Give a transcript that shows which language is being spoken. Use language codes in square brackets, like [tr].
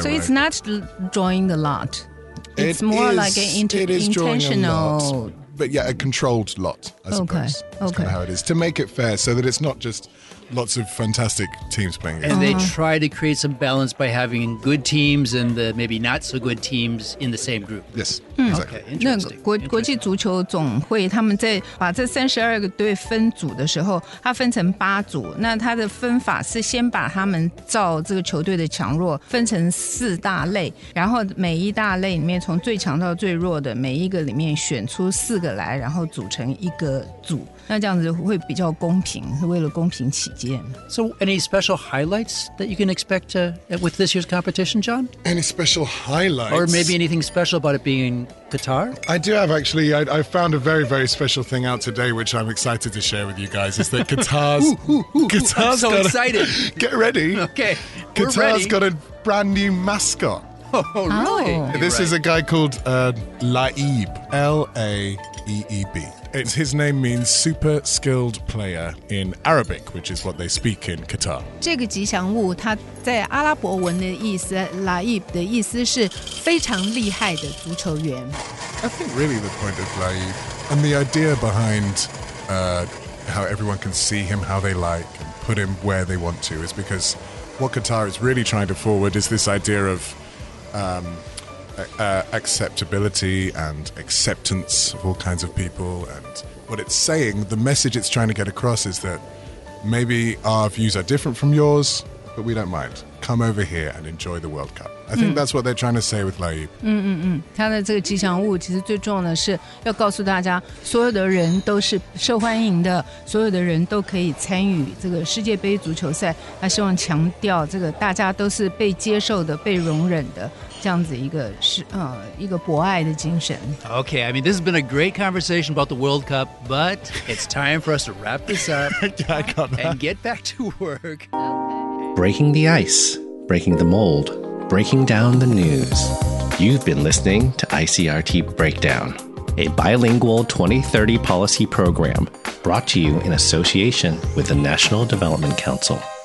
[en] So it's not drawing the lot. It's more like an intentional... But yeah, a controlled lot, I suppose. Okay. That's kind of how it is. To make it fair so that it's not just... Lots of fantastic teams playing. And they try to create some balance by having good teams and the maybe not so good teams in the same group. Yes, exactly. Okay, [zh] 那国际足球总会他们在把这32个队分组的时候，它分成八组。那它的分法是先把他们照这个球队的强弱分成四大类，然后每一大类里面从最强到最弱的每一个里面选出四个来，然后组成一个组。那这样子会比较公平，是为了公平起见。 [en] So, any special highlights that you can expect with this year's competition, John? Any special highlights? Or maybe anything special about it being Qatar? I do have, actually. I found a very, very special thing out today, which I'm excited to share with you guys, is that Qatar's... Qatar's I'm so gotta, excited. Get ready. Okay, Qatar's we're ready. Got a brand new mascot. Oh, really? This is a guy called Laib. L-A-E-E-B. His name means super skilled player in Arabic, which is what they speak in Qatar. [zh] 这个吉祥物它在阿拉伯文的意思 Laib 的意思是非常厉害的足球员。 [en] I think really the point of Laib and the idea behind how everyone can see him how they like and put him where they want to is because what Qatar is really trying to forward is this idea of... acceptability and acceptance of all kinds of people. And what it's saying, the message it's trying to get across is that maybe our views are different from yours, but we don't mind. Come over here and enjoy the World Cup. I think that's what they're trying to say with Laib. [zh] 他的这个吉祥物其实最重要的是要告诉大家所有的人都是受欢迎的，所有的人都可以参与这个世界杯足球赛。他希望强调这个大家都是被接受的，被容忍的。这样子一个博爱的精神。 [en] Okay, I mean, this has been a great conversation about the World Cup, but it's time for us to wrap this up and get back to work. Breaking the ice, breaking the mold, breaking down the news. You've been listening to ICRT Breakdown, a bilingual 2030 policy program brought to you in association with the National Development Council.